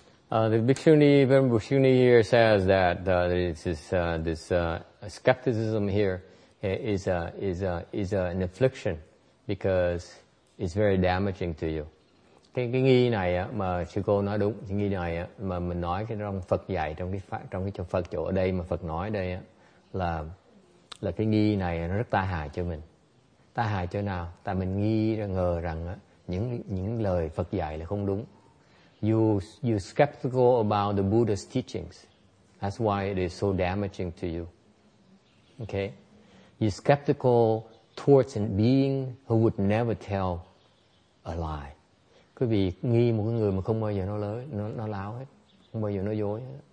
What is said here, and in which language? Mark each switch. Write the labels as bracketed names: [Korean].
[English] The Bhikshuni, Venerable Bhikshuni here says that this skepticism here is an affliction because it's very damaging to you. [Vietnamese] Cái nghi này mà sư cô nói đúng, cái nghi này mà mình nói cái trong Phật dạy, trong cái chỗ Phật chỗ ở đây mà Phật nói đây là cái nghi này nó rất tai hại cho mình. Tai hại chỗ nào? Tại mình nghi ngờ rằng những lời Phật dạy là không đúng. [English] You skeptical about the Buddha's teachings. That's why it is so damaging to you. Okay? You skeptical towards a being who would never tell a lie. [Vietnamese] Quý vị nghi một cái người mà không bao giờ nó láo hết, không bao giờ nó dối hết.